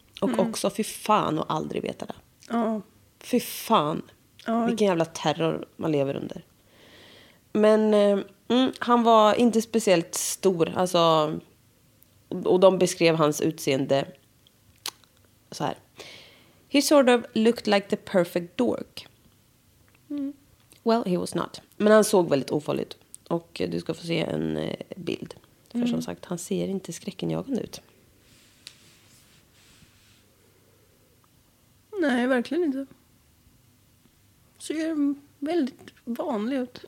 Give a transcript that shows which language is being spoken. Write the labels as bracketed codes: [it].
[sv] Och också fy fan och aldrig veta det. Oh. Fy fan. Oh. Vilken jävla terror man lever under. Men han var inte speciellt stor. Alltså, och de beskrev hans utseende så här. [en] He sort of looked like the perfect dork. Mm. Well, he was not. [sv] Men han såg väldigt ofarligt. Och du ska få se en bild. För som sagt, han ser inte skräckenjagande ut. Nej, verkligen inte. Ser väldigt vanlig ut.